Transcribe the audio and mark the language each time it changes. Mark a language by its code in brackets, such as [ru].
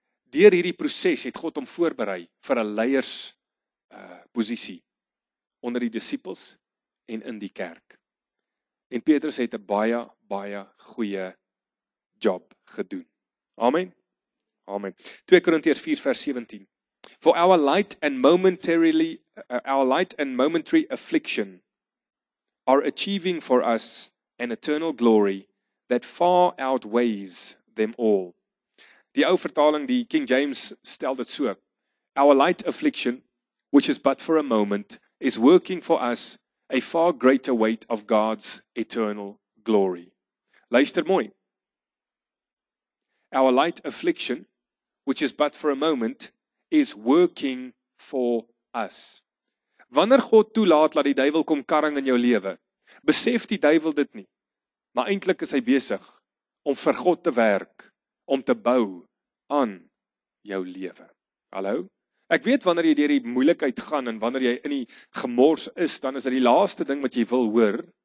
[af] Deur hierdie proses het God hom voorberei vir 'n leiers posisie onder die disippels en in die kerk. En Petrus het 'n baie goeie job gedoen. Amen. Amen. 2 Korintiërs 4 vers 17. [en] For our light and momentary affliction are achieving for us an eternal glory that far outweighs them all. [af] Die ou vertaling, die King James, stel dit so. [en] Our light affliction, which is but for a moment, is working for us a far greater weight of God's eternal glory. [af] Luister mooi. [en] Our light affliction, which is but for a moment, is working for us. [af] Wanneer God toelaat, laat die duivel kom karring in jou lewe, besef die duivel dit nie. Maar eintlik is hy besig om vir God te werk, om te bou aan jou lewe. Hallo? Ek weet wanneer jy deur die moeilikheid gaan en wanneer jy in die gemors is, dan is dit die laaste ding wat jy wil hoor.